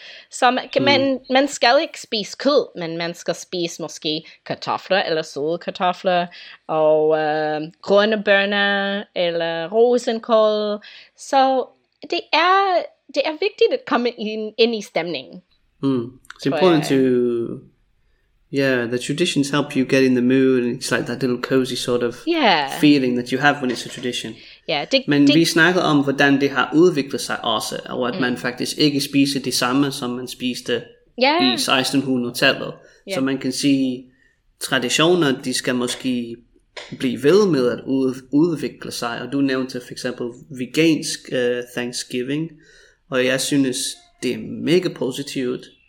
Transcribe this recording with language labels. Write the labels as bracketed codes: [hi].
[da] Så man skal ikke spise kød, men man skal spise måske kartofler eller solkartofler og grønne bønner eller rosenkål. Så det er vigtigt at komme ind i stemningen. [en] It's important to, the traditions help you get in the mood. And it's like that little cozy sort of feeling that you have when it's a tradition. [da] Men vi snakker om, hvordan det har udviklet sig også, og at man faktisk ikke spiser det samme, som man spiste i 1600-tallet. [en] Yeah. [da] Så man kan sige, traditioner, de skal måske blive ved med at udvikle sig. Og du nævnte for eksempel vegansk Thanksgiving, og jeg synes, det er mega positivt.